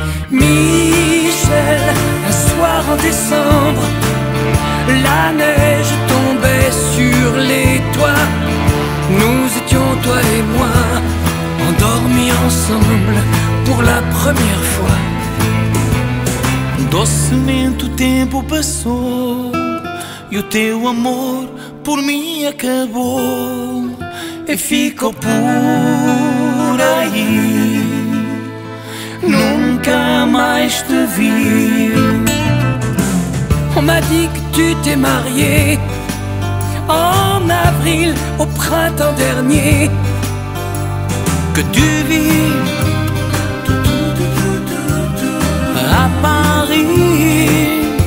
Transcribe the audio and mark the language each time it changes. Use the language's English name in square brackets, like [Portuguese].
[French] Michel, un soir en décembre, la neige tombait sur les toits. Nous étions toi et moi endormis ensemble pour la première fois. [Portuguese] Docemente o tempo passou e o teu amor por mim acabou. E ficou por aí, nunca mais te vi. [French] On m'a dit que tu t'es marié en avril au printemps dernier. Que tu vis à Paris.